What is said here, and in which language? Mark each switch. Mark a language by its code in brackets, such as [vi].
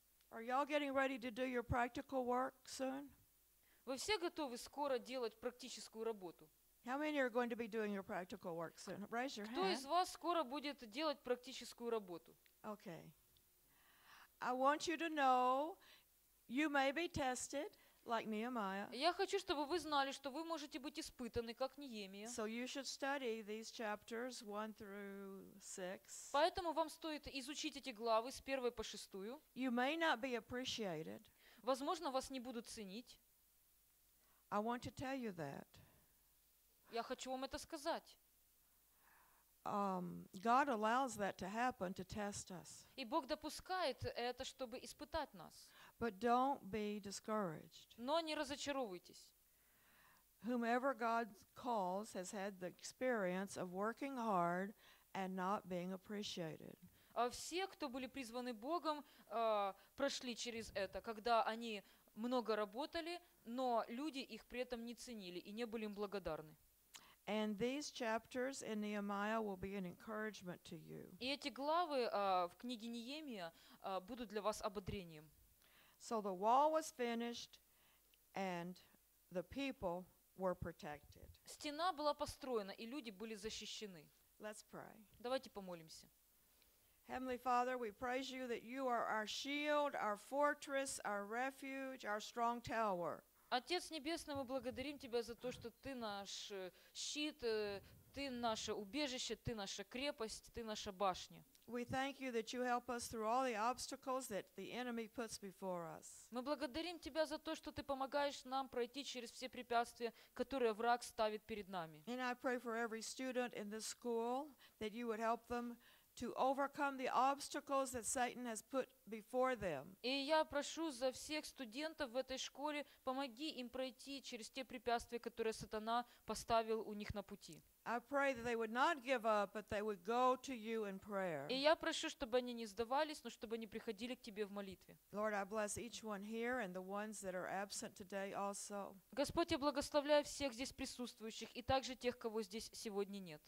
[en] Are y'all getting ready to do your practical work soon? [ru] Вы все готовы скоро делать практическую работу? [en] How many are going to be doing your practical work soon? Raise your hand. [ru] Кто из вас скоро будет делать практическую работу? [en] Okay. I want you to know you may be tested. Like Nehemiah. [ru] Я хочу, чтобы вы знали, что вы можете быть испытаны, как Неемия. [en] So you should study these chapters 1-6. [ru] Поэтому вам стоит изучить эти главы с 1 по 6. [en] You may not be appreciated. [ru] Возможно, вас не будут ценить. [en] I want to tell you that. [ru] Я хочу вам это сказать. [en] God allows that to happen to test us. [ru] И Бог допускает это, чтобы испытать нас. [en] But don't be discouraged. [ru] Но не разочаровывайтесь. [en] Whomever God calls has had the experience of working hard and not being appreciated. [ru] А все, кто были призваны Богом, прошли через это, когда они много работали, но люди их при этом не ценили и не были им благодарны. [en] And these chapters in Nehemiah will be an encouragement to you. [ru] И эти главы в книге Неемия будут для вас ободрением. [en] So the wall was finished, and the people were protected. [ru] Стена была построена, и люди были защищены. [en] Let's pray. [ru] Давайте помолимся. [en] Heavenly Father, we praise you that you are our shield, our fortress, our refuge, our strong tower. [ru] Отец небесный, мы благодарим тебя за то, что ты наш щит, ты наше убежище, ты наша крепость, ты наша башня. [en] We thank you that you help us through all the obstacles that the enemy puts before us. [ru] Мы благодарим тебя за то, что ты помогаешь нам пройти через все препятствия, которые враг ставит перед нами. [en] And I pray for every student in this school that you would help them to overcome the obstacles that Satan has put before them. [ru] И я прошу за всех студентов в этой школе, помоги им пройти через те препятствия, которые сатана поставил у них на пути. [en] I pray that they would not give up, but they would go to you in prayer. [ru] И я прошу, чтобы они не сдавались, но чтобы они приходили к тебе в молитве. [en] Lord, I bless each one here and the ones that are absent today also. [ru] Господь, я благословляю всех здесь присутствующих и также тех, кого здесь сегодня нет.